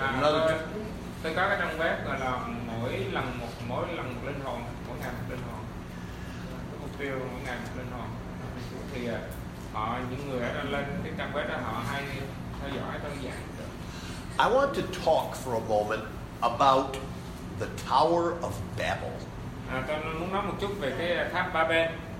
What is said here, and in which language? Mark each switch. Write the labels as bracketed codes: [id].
[en] Another [vi] tôi có cái trang web là mỗi lần một linh hồn, mỗi ngày một linh hồn. Cái mục tiêu mỗi ngày một linh hồn. Thì họ, những người đã lên cái trang web đó, họ hay theo dõi tôi dạy. [en] I want to talk for a moment about the Tower of Babel. [vi] Tôi muốn nói một chút về cái tháp Ba Bên.